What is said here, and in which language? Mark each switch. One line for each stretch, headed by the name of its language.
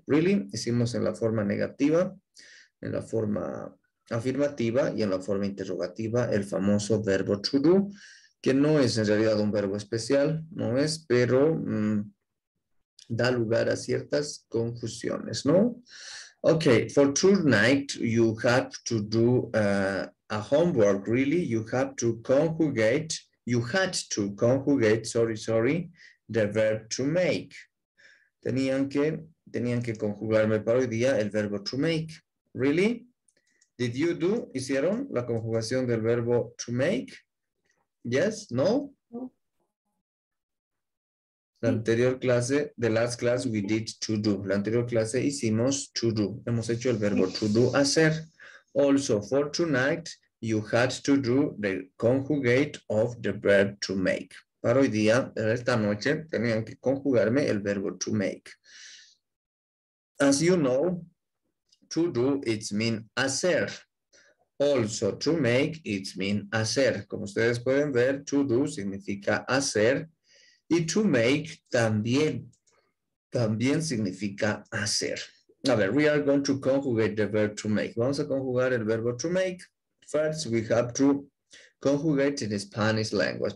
Spanish: Really, hicimos en la forma negativa, en la forma afirmativa y en la forma interrogativa el famoso verbo to do, que no es en realidad un verbo especial, no es, pero da lugar a ciertas confusiones, ¿no?
English: Okay, for tonight, you have to do a homework, really. You have to conjugate, you had to conjugate, sorry, the verb to make.
Spanish: Tenían que conjugarme para hoy día el verbo to make.
English: Really? Did you do?
Spanish: ¿Hicieron la conjugación del verbo to make?
English: Yes? No?
Spanish: La anterior clase,
English: the last class we did to do.
Spanish: La anterior clase hicimos to do. Hemos hecho el verbo to do, hacer.
English: Also, for tonight, you had to do the conjugate of the verb to make.
Spanish: Para hoy día, esta noche, tenían que conjugarme el verbo to make.
English: As you know, to do, it's mean hacer. Also, to make, it's mean hacer.
Spanish: Como ustedes pueden ver, to do significa hacer. Y to make también significa hacer.
English: A ver, we are going to conjugate the verb to make.
Spanish: Vamos a conjugar el verbo to make.
English: First, we have to conjugate in Spanish language.